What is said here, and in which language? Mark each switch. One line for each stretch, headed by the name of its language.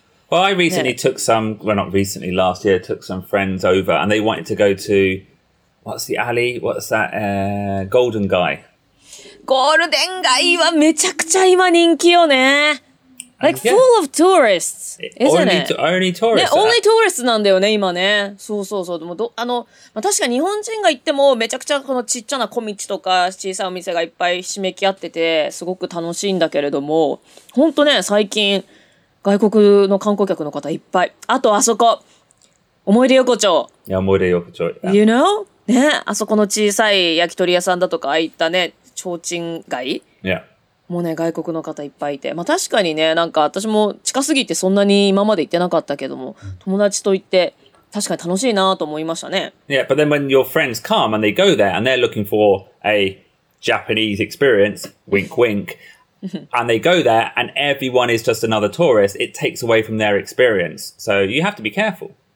English: Well, I recently took some, well, not recently, last year, took some friends over, and they wanted to go to, what's the alley? What's that? Golden Guy.
Japanese: Golden Guy はめちゃくちゃ今人気よね。
English: Like, full of tourists, isn't it? Only tourists. Yeah, only tourists
Japanese: なんだよね、今ね。そうそうそう。でも、あの、まあ、確か日本人が行っても、めちゃくちゃこのちっちゃな小道とか、小さいお店がいっぱいひしめき合ってて、すごく楽しいんだけれども、ほんとね、最近、外国の観光客の方いっぱい。あと、あそこ。思い出横丁。いや、思い出横丁。
English: Yeah. You know? ね。
Japanese: あそこの小さい焼き鳥屋さんだとか、ああいったね、提灯街。いや。もうね、外国の方いっぱいいて。まあ確かにね、なんか私も近すぎてそんなに今まで行ってなかったけども、友達と行って、確かに楽しいなと思いましたね。
English: Yeah, but then when your friends come and they go there and they're looking for a Japanese experience, wink, wink, and they go there and everyone is just another tourist, it takes away from their experience. So you have to be careful.